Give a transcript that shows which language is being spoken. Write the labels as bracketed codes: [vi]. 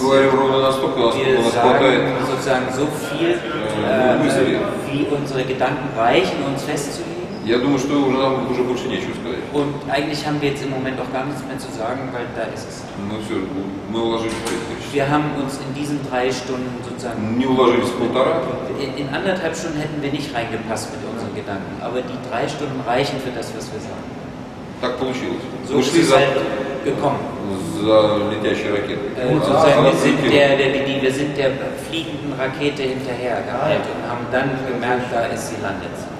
[ru] Говорим ровно настолько, насколько у нас хватает. [de] Wir sagen, sozusagen, so viel, wie unsere Gedanken reichen, uns festzulegen. [ru] Я думаю, что уже нам уже больше нечего сказать. [de] Und eigentlich haben wir jetzt im Moment auch gar nichts mehr zu sagen, weil da ist es. [ru] Ну все, мы уложились в 3 часа. [de] Wir haben uns in diesen 3 Stunden sozusagen... [ru] Не уложились в 1,5. [de] In 1,5 Stunden hätten wir nicht reingepasst mit unseren Gedanken. Aber die 3 Stunden reichen für das, was wir sagen. [ru] Так получилось. [de] So ist es halt gekommen. [ru] За летящей ракетой. [de] Sozusagen, wir sind der fliegenden Rakete hinterher gehalten und haben dann gemerkt, da ist sie landet.